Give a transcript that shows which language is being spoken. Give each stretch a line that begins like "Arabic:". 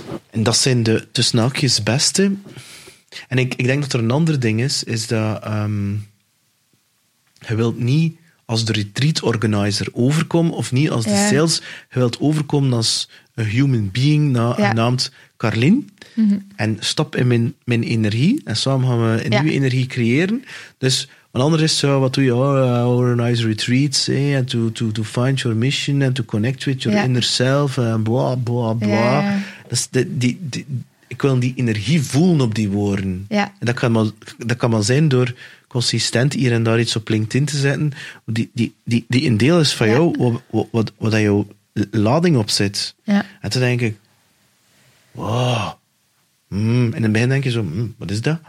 Dutch: En dat zijn de tussenhaakjes beste. En ik denk dat er een ander ding is dat je wilt niet als de retreat organizer overkomen, of niet als de sales, je wilt overkomen als een
English: human being
Dutch: genaamd Carlien. Mm-hmm. En stap in mijn energie en samen gaan we een nieuwe energie creëren. Dus een ander is zo, wat doe je?
English: Organize retreats, and to find your mission and to connect with your inner self,
Dutch: en blah, blah, blah. Yeah. Dus ik wil die energie voelen op die woorden. Ja. En dat kan maar zijn door consistent hier en daar iets op LinkedIn te zetten. Die een deel is van jou, wat jouw lading op zit. Ja. En toen denk ik, wow. En in het begin denk je zo, wat is dat?